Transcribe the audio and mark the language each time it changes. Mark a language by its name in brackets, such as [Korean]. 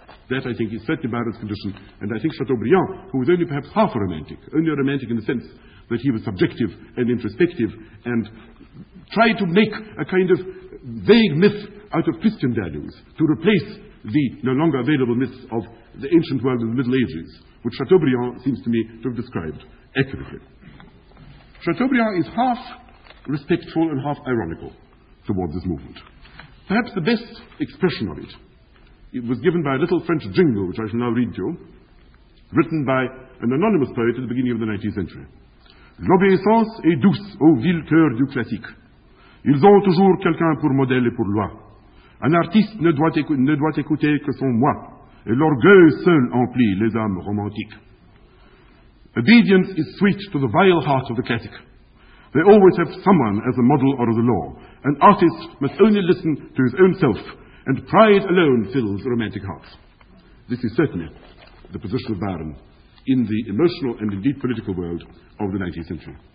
[English] That, I think, is certainly Byron's condition, and I think Chateaubriand, who was only perhaps half a romantic, only a romantic in the sense that he was subjective and introspective and tried to make a kind of vague myth out of Christian values to replace the no longer available myths of the ancient world of the Middle Ages, which Chateaubriand seems to me to have described accurately. Chateaubriand is half respectful and half ironical towards this movement. Perhaps the best expression of it, it was given by a little French jingle, which I shall now read to you, written by an anonymous poet at the beginning of the 19th century. [French] "L'obéissance est douce au vil cœur du classique. Ils ont toujours quelqu'un pour modèle et pour loi. Un artiste ne doit écouter que son moi, et l'orgueil seul emplit les âmes romantiques. [English] Obedience is sweet to the vile heart of the classic. They always have someone as a model or as a law. An artist must only listen to his own self, and pride alone fills romantic hearts." This is certainly the position of Byron in the emotional and indeed political world of the 19th century.